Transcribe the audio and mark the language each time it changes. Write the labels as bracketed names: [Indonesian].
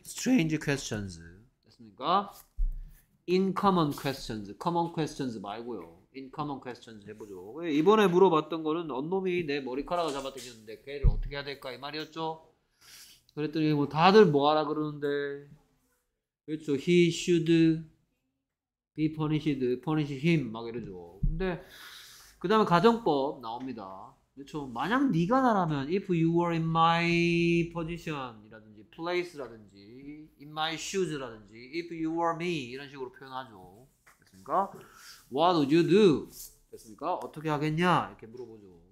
[English] 스트레인지 퀘스천즈. [Korean] 됐습니까? [English] 인커먼 퀘스천즈. 커먼 퀘스천즈 [Korean] 말고요. [English] 인커먼 퀘스천즈 [Korean] 해보죠. 이번에 물어봤던 거는 언놈이 내 머리카락을 잡아당겼는데 걔를 어떻게 해야 될까 이 말이었죠. 그랬더니 뭐 다들 뭐 하라 그러는데 그렇죠. [English] He should be punished, punish him [Korean] 막 이러죠. 근데 그 다음에 가정법 나옵니다. 그렇죠. 만약 네가 나라면 [English] if you were in my position [Korean] 이라든지 place라든지 [English] in my shoes [Korean] 라든지 [English] if you were me [Korean] 이런 식으로 표현하죠. 그렇습니까? [English] What would you do? [Korean] 됐습니까? 어떻게 하겠냐? 이렇게 물어보죠.